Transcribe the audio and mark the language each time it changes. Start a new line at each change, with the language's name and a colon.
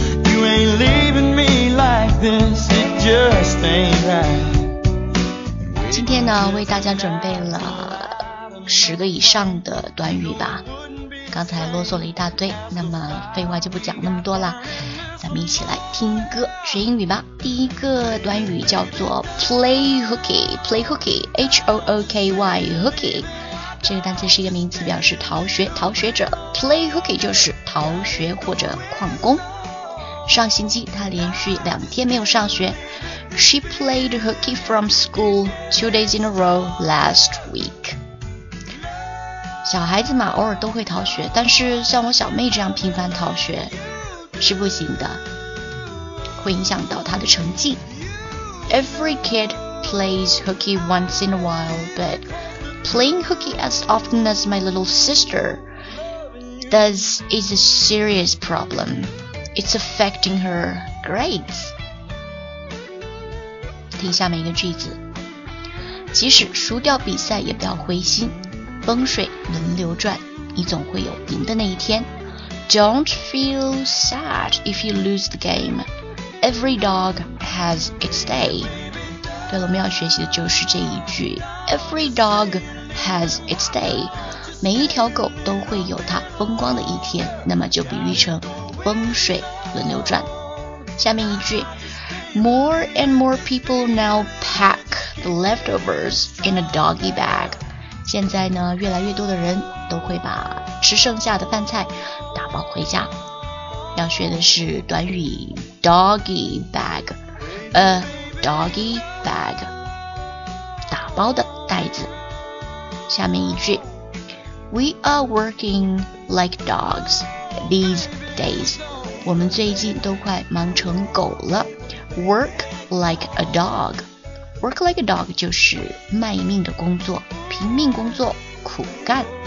English: You ain't leaving me like this. It just ain't right.
Chinese: 今天呢，为大家准备了十个以上的短语吧。刚才啰嗦了一大堆，那么废话就不讲那么多了，咱们一起来听歌学英语吧。第一个短语叫做 play hooky, H-O-O-K-Y, hooky。这个单词是一个名词，表示逃学、逃学者。play hooky 就是逃学或者旷工。上星期他连续两天没有上学。
English: She played hooky from school 2 days in a row last week.
Chinese: 小孩子嘛，偶尔都会逃学，但是像我小妹这样频繁逃学是不行的，会影响到她的成绩。
English: Every kid plays hooky once in a while, but playing hooky as often as my little sister does is a serious problem. It's affecting her grades.
Chinese: 听下面一个句子：即使输掉比赛，也不要灰心。风水轮流转，你总会有赢的那一天。
English: Don't feel sad if you lose the game. Every dog has its day.
Chinese: 对了，我们要学习的就是这一句。
English: Every dog has its day.
Chinese: 每一条狗都会有它风光的一天。那么就比喻成风水轮流转。下面一句。
English: More and more people now pack the leftovers in a doggy bag.
Chinese: 现在呢，越来越多的人都会把吃剩下的饭菜打包回家。要学的是短语 doggy bag， a doggy bag， 打包的袋子。下面一句
English: ，We are working like dogs these days。
Chinese: 我们最近都快忙成狗了。
English: Work like a dog。 Work like a dog
Chinese: 就是卖命的工作，拼命工作，苦干。